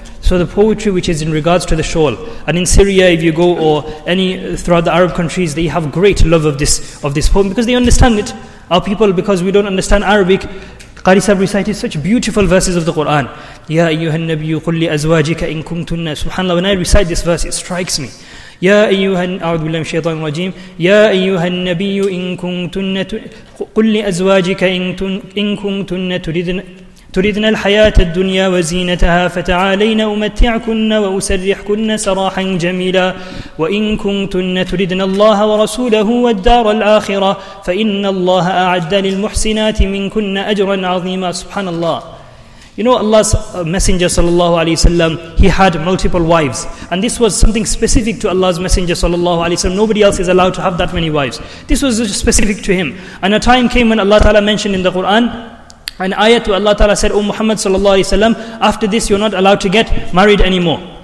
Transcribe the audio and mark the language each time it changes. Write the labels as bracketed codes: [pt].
[en] So the poetry which is in regards to the shawl. And in Syria, if you go, or any throughout the Arab countries, they have great love of this poem because they understand it. Our people, because we don't understand Arabic, Qari Sahib recited such beautiful verses of the Quran. [ar] Ya ayyuhan nabiyyu qul li azwajika in kuntunna. [en] Subhanallah, when I recite this verse, it strikes me. [ar] يا أيها أعوذ بالله من الشيطان الرجيم يا أيها النبي إن كنتن قل لأزواجك إن كنتن تريدن الحياة الدنيا وزينتها فتعالين أمتعكن وأسرحكن سراحا جميلا وإن كنتن تريدن الله ورسوله والدار الآخرة فإن الله أعد للمحسنات منكن أجرا عظيما. سبحان الله. [en] You know, Allah's Messenger sallallahu alayhi wa sallam, he had multiple wives. And this was something specific to Allah's Messenger sallallahu alayhi wa sallam. Nobody else is allowed to have that many wives. This was specific to him. And a time came when Allah ta'ala mentioned in the Quran, an ayat where Allah ta'ala said, "O Muhammad sallallahu alayhi wa sallam, after this you're not allowed to get married anymore."